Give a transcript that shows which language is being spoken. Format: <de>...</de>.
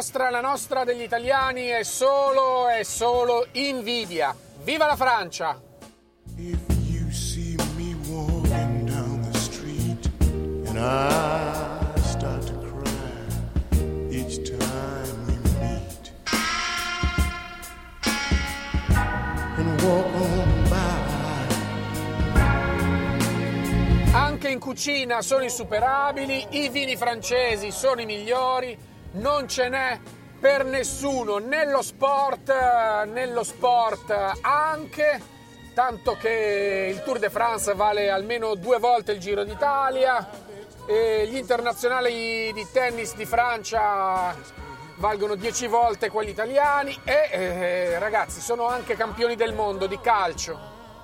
<it>La nostra degli italiani è solo invidia. Viva la Francia!</it> <en>If you see me walking down the street and I start to cry each time we meet and walk on by.</en> <it>Anche in cucina sono insuperabili, i vini francesi sono i migliori. Non ce n'è per nessuno, nello sport anche, tanto che il Tour de France vale almeno due volte il Giro d'Italia, e gli internazionali di tennis di Francia valgono 10 volte quelli italiani e ragazzi, sono anche campioni del mondo di calcio.</it>